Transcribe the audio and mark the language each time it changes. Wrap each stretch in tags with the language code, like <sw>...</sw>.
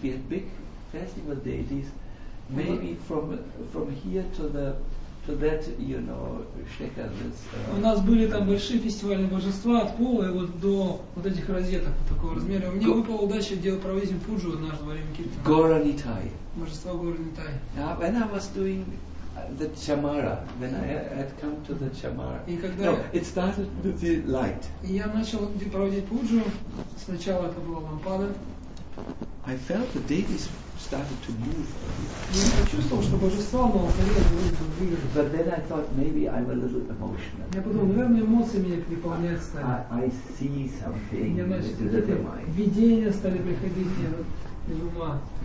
<en>We had big festival deities, maybe from here to that, you know, shekel.</en> <ru>У нас были там большие фестивальные божества от пола и вот до вот этих розеток вот такого размера. У меня выпала удача делать провести пуджу однажды во время кирта. Гора Нитай. Божество Гора Нитай.</ru> <en>When I was doing the chamara, when I had come to the chamara. It started with the light.</en> <ru>Я начал проводить пуджу. Сначала это была лампада.</ru> <en>I felt the deities started to move.</en> <ru>Я почувствовал, что божества начали двигаться.</ru> <en>But then I thought maybe I'm a little emotional.</en> <ru>Я подумал, наверное, эмоции меня переполняют стали.</ru> <en>I see something.</en> <ru>Я начал видения стали приходить из ума.</ru>